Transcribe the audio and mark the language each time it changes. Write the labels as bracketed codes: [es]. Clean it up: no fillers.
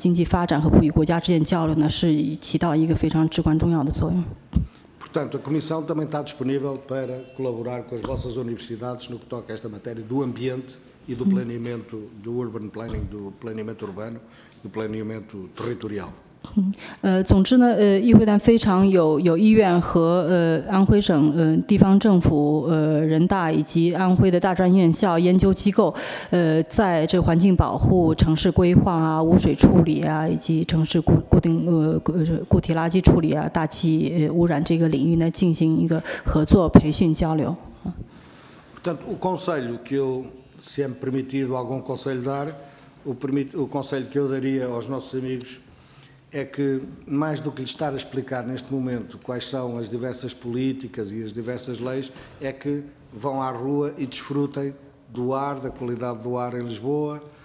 [zh] 澳门是设为组这个组织的总部呢，中国有一个和就是中国和葡语国家的这个经济合作啊、立法合作方面这样一个机构，这其中纳入了所有就是葡语为官方语言国家，去包括非洲的这些莫桑比克、安哥拉、佛得角啊，以及东帝摩巴西什么。那这个合作论坛呢，对于各国以及中国促进这个立法以及经济发展和葡语国家之间交流。 [pt] Portanto, a Comissão também está disponível para colaborar com as vossas universidades no que toca esta matéria do ambiente e do planeamento do urban planning, do planeamento urbano e do planeamento territorial。 [zh] 总之呢，议会团非常有意愿和安徽省地方政府人大以及安徽的大专院校研究机构，在这环境保护、城市规划啊、污水处理啊，以及城市固体垃圾处理啊、大气污染这个领域呢，进行一个合作培训交流。 [pt] Portanto, o conselho que eu, se é-me permitido algum conselho dar, o conselho que eu daria aos nossos amigos é que, mais do que lhes estar a explicar neste momento quais são as diversas políticas e as diversas leis, é que vão à rua e desfrutem do ar, da qualidade do ar em Lisboa,